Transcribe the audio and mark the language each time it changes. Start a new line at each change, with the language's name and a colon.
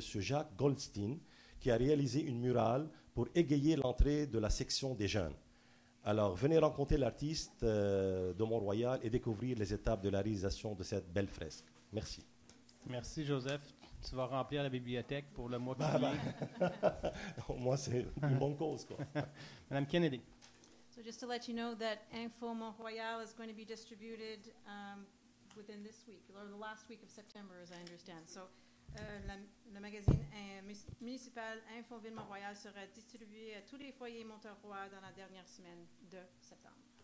French: Jacques Goldstein, qui a réalisé une mural pour égayer l'entrée de la section des jeunes. Alors, venez rencontrer l'artiste de Mont-Royal et découvrir les étapes de la réalisation de cette belle fresque. Merci. Merci, Joseph. Tu vas remplir la bibliothèque pour le mois qui vient. Moi, c'est une bonne cause, quoi. Madame Kennedy.
English: So just to let you know that Info Mont-Royal is going to be distributed within this week, or the last week of September, as I understand.
French: So le magazine municipal Info Ville Mont-Royal sera distribué à tous les foyers montérois dans la dernière semaine de septembre.